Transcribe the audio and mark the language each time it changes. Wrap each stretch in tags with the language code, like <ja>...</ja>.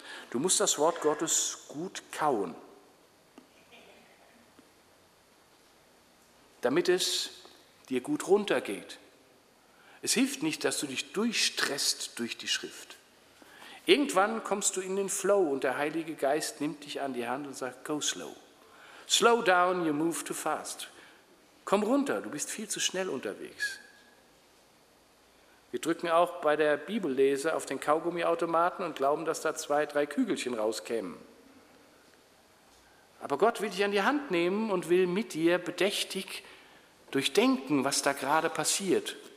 <de>Du musst das Wort Gottes gut kauen, damit es dir gut runtergeht. Es hilft nicht, dass du dich durchstresst durch die Schrift. Irgendwann kommst du in den Flow und der Heilige Geist nimmt dich an die Hand und sagt,</de> <en>go slow. Slow down, you move too fast.</en> <de>Komm runter, du bist viel zu schnell unterwegs. Wir drücken auch bei der Bibellese auf den Kaugummiautomaten und glauben, dass da 2, 3 Kügelchen rauskämen. Aber Gott will dich an die Hand nehmen und will mit dir bedächtig durchdenken, was da gerade passiert.</de>